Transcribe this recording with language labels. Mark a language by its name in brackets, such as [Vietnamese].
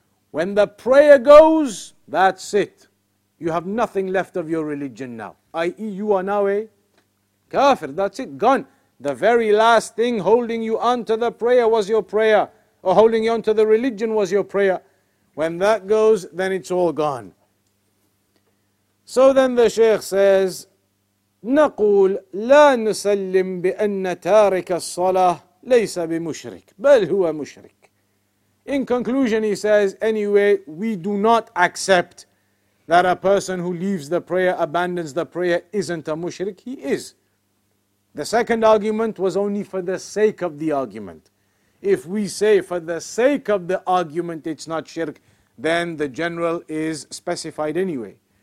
[English] When the prayer goes, that's it. You have nothing left of your religion now. I.e. you are now a kafir. That's it. Gone. The very last thing holding you onto the prayer was your prayer. Or holding you onto the religion was your prayer. When that goes, then it's all gone. So then the Shaykh says, [Arabic] نقول لا نسلم بأن تارك الصلاة ليس بمشرك بل هو مشرك. [English] In conclusion, he says, anyway, we do not accept that a person who leaves the prayer, abandons the prayer, isn't a mushrik. He is. The second argument was only for the sake of the argument. If we say for the sake of the argument it's not shirk, then the general is specified anyway.